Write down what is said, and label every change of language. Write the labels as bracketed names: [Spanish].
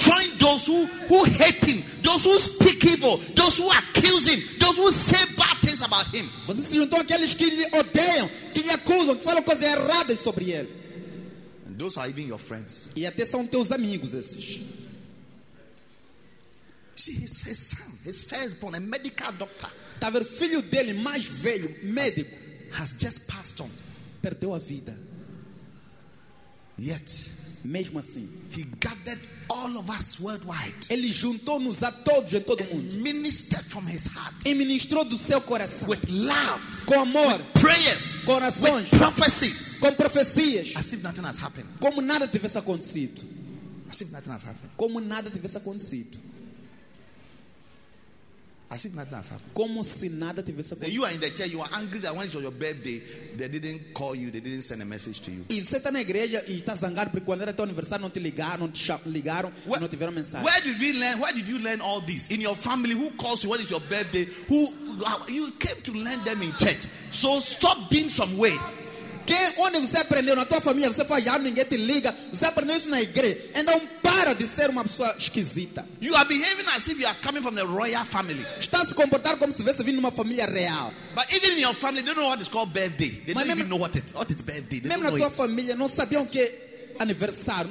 [English] have joined those who hate him, those who speak evil, those who accuse him, those who say bad things about him. [Portuguese] Você se juntou àqueles que lhe odeiam, que lhe acusam, que falam coisas erradas sobre ele. [English] And those are even your friends. [Portuguese] E até são teus amigos esses. [English] See, his son, his firstborn, a medical doctor. [Portuguese] Tá vendo, filho dele mais velho, médico, [English] has just passed on. [Portuguese] Perdeu a vida. [English] Yet, [Portuguese] mesmo assim, [English] he gathered all of us worldwide. [Portuguese] Ele juntou-nos a todos em todo [English] and [Portuguese] mundo. [English] Ministered from his heart. [Portuguese] E ministrou do seu coração. [English] With love, [Portuguese] com amor. [English] With prayers, [Portuguese] com orações. [English] With prophecies, [Portuguese] com profecias. [English] As if nothing has happened. [Portuguese] Como nada tivesse acontecido. [English] As if nothing has happened. [Portuguese] Como nada tivesse acontecido. [English] As if nothing has happened. [Portuguese] Como se nada tivesse acontecido. [English] You are in the chair, you are angry that when it's your birthday, they didn't call you, they didn't send a message to you. [Portuguese] E você está na igreja e está zangado porque quando era teu aniversário não te ligaram, não tiveram mensagem. [English] Where did you learn all this? In your family, who calls you when it's your birthday? You came to learn them in church. So stop being some way. [Portuguese] Quem, onde você aprendeu na tua família? Você fala, ninguém te liga. Você aprendeu isso na igreja. Então para de ser uma pessoa esquisita. [English] You are behaving as if you are coming from a royal family. [Portuguese] Está se comportando como se estivesse vindo de uma família real. [English] But even in your family, they don't know what it's called birthday. They don't even know what it's birthday. [Portuguese] Mesmo na tua família não sabiam que aniversário.